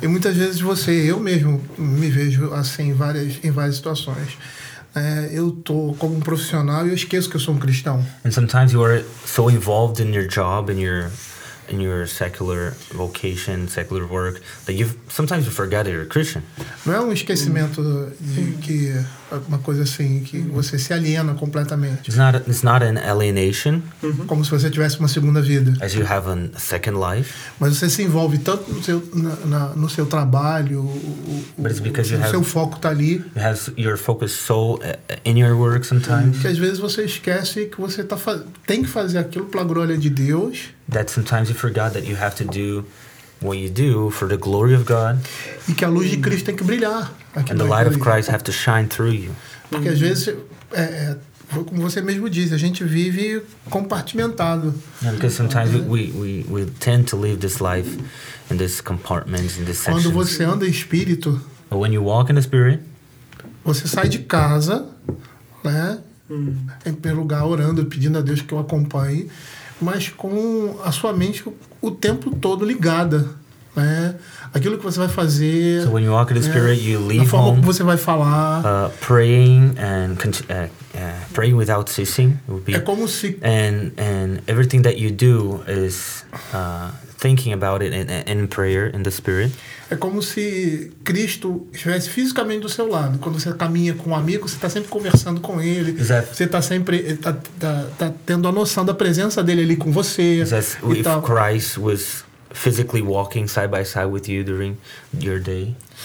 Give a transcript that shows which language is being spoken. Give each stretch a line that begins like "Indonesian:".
Portuguese: E muitas vezes eu mesmo me vejo assim em várias situações. Eu tô como um profissional e eu esqueço que eu sou um cristão.
English: And sometimes you are so involved in your job and your secular vocation, secular work, that you sometimes you forget that you're a Christian.
Portuguese: Não é um esquecimento de que uma coisa assim que você se aliena completamente.
English: It's not an alienation.
Portuguese: Mm-hmm. Como se você tivesse uma segunda vida.
English: As you have a second life.
Portuguese: Mas você se envolve tanto no seu trabalho, seu foco está ali.
English: It has your focus so in your work sometimes.
Portuguese: Que às vezes você esquece que você tem que fazer aquilo pela glória de Deus.
English: That sometimes you forgot that you have to do what you do for the glory of God.
Portuguese: E que a luz de Cristo tem que brilhar.
English: And the light of Christ has to shine through you.
Portuguese: Porque às vezes, como você mesmo diz, a gente vive compartimentado.
English: Yeah, because sometimes we tend to live this life in these compartments, in these sections.
Portuguese: Quando você anda em espírito,
English: but when you walk in the Spirit,
Portuguese: você sai de casa, né? Em primeiro lugar, orando, pedindo a Deus que o acompanhe, mas com a sua mente o tempo todo ligada, né? Aquilo que você vai fazer.
English: So when you walk in the Spirit, you leave home.
Portuguese: A forma como você vai falar.
English: Praying and praying without ceasing would be.
Portuguese: É como se.
English: And everything that you do is thinking about it in prayer in the Spirit.
Portuguese: É como se Cristo estivesse fisicamente do seu lado. Quando você caminha com um amigo, você está sempre conversando com ele. Você está sempre tá tendo a noção da presença dele ali com você.
English: If Christ was physically walking side by side with you during your day.